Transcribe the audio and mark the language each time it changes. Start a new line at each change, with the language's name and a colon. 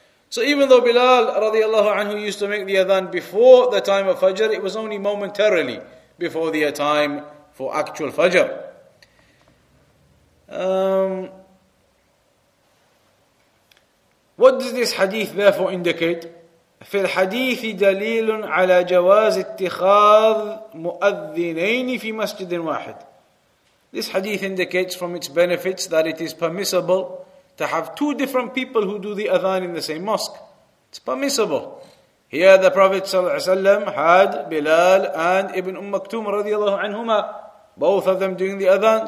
English: So even though Bilal radiallahu anhu used to make the adhan before the time of Fajr, it was only momentarily before the time for actual Fajr. What does this hadith therefore indicate?
Arabic: في الحديث دليل على جواز اتخاذ مؤذنين في مسجد واحد.
English: This hadith indicates from its benefits that it is permissible to have two different people who do the adhan in the same mosque. It's permissible. Here the Prophet ﷺ had Bilal and Ibn Maktum radiallahu anhuma, both of them doing the adhan.